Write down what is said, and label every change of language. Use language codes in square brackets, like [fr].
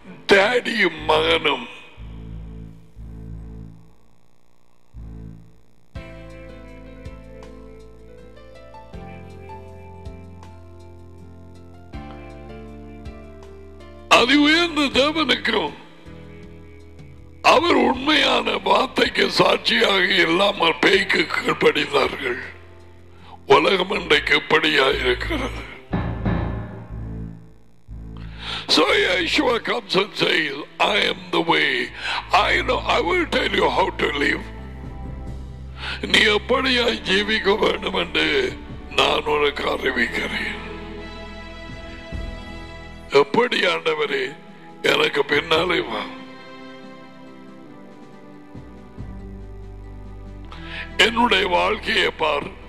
[ta] டாடியும் மகனும் அதி உயர்ந்த தேவனுக்கும் அவர் உண்மையான வார்த்தைக்கு சாட்சியாக இல்லாமல் பேய்க்கு கீழ்ப்படிந்தார்கள். உலகம் இன்றைக்கு இப்படியாயிருக்கிறது. [en] So Yeshua comes and says, I am the way. I know, I will tell you how to live. [ta] நீ எப்படியா ஜீவிக்க வேண்டும் என்று நான் உனக்கு அறிவிக்கிறேன். எப்படி ஆண்டவரே எனக்கு பின்னாலே வா, என்னுடைய வாழ்க்கையை பார்.